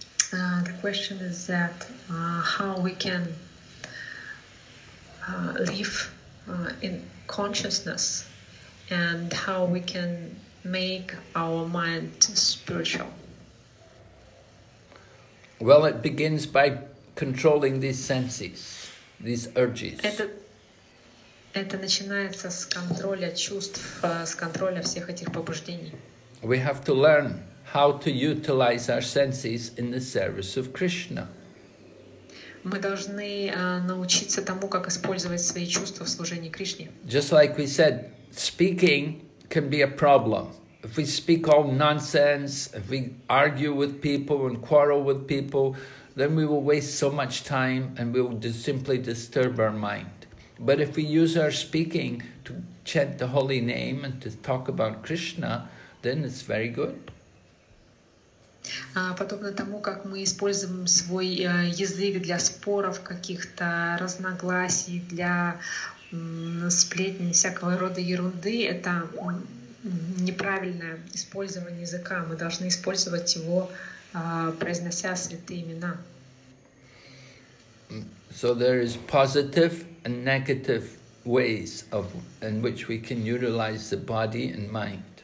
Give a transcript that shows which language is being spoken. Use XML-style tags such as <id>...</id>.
<en>The question is that how we can live in consciousness and how we can make our mind spiritual. Well, it begins by controlling these senses, these urges.</en> <ru>Это начинается с контроля чувств, с контроля всех этих побуждений.</ru> <en>We have to learn how to utilize our senses in the service of Krishna.</en> <ru>Мы должны научиться тому, как использовать свои чувства в служении Кришне.</ru> <en>Just like we said, speaking can be a problem. If we speak all nonsense, if we argue with people and quarrel with people, then we will waste so much time and we will simply disturb our mind. But if we use our speaking to chant the holy name and to talk about Krishna, then it's very good.</en> <ru>Подобно тому, как мы используем свой язык для споров, каких-то разногласий, для сплетни, всякого рода ерунды, это неправильное использование языка. Мы должны использовать его, произнося святые имена.</ru> <en>So there is positive and negative ways of in which we can utilize the body and mind.</en>